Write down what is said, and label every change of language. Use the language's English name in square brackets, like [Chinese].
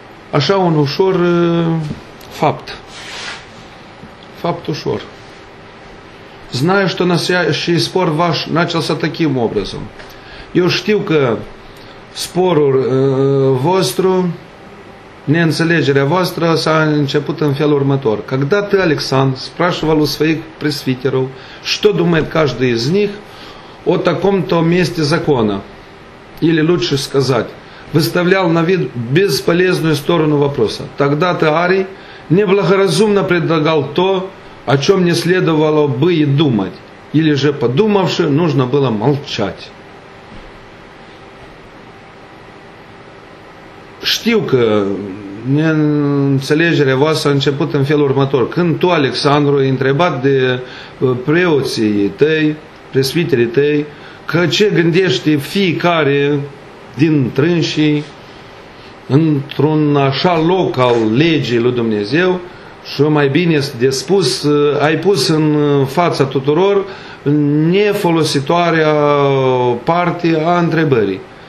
[Romanian] așa un ușor fapt ușor. [Russian] Знаю, что настоящий спор ваш начался таким образом. [Romanian] Eu știu că sporul vostru, neînțelegerea voastră s-a început în felul următor. [Russian] Когда ты, Александр, спрашивал у своих пресвитеров, что думает каждый из них о таком-то месте закона, или лучше сказать, выставлял на вид бесполезную сторону вопроса. Тогда-то Арий неблагоразумно предлагал то, о чем не следовало бы и думать, или же, подумавши, нужно было молчать. [Romanian] știu că neînțelegerea voastră a început în felul următor. Când tu, Alexandru, ai întrebat de preoții tăi, presbiterii tăi, că ce gândește fiecare din trânsii într-un așa loc al legii lui Dumnezeu, și mai bine de spus, ai pus în fața tuturor nefolositoarea parte a întrebării.